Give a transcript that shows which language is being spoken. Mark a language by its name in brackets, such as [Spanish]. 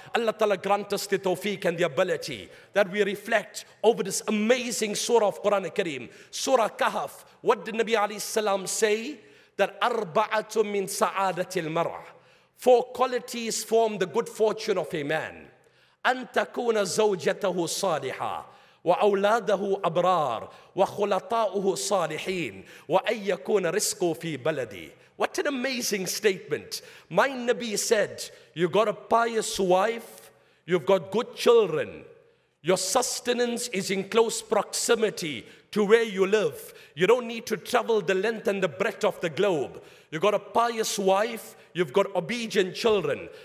[English] Allah Ta'ala grant us the tawfiq and the ability that we reflect over this amazing surah of Quran Kareem. Surah Kahf. What did Nabi Alayhi Salaam say? That [Arabic] arba'atun min sa'adati al-mar'ah. [English] Four qualities form the good fortune of a man. [Arabic] أن تكون زوجته صالحة وأولاده أبرار وخلطاؤه صالحين وأن يكون رزقه في بلدي. [English] What an amazing statement. My Nabi said, you've got a pious wife, you've got good children, your sustenance is in close proximity to where you live. You don't need to travel the length and the breadth of the globe. You've got a pious wife, you've got obedient children.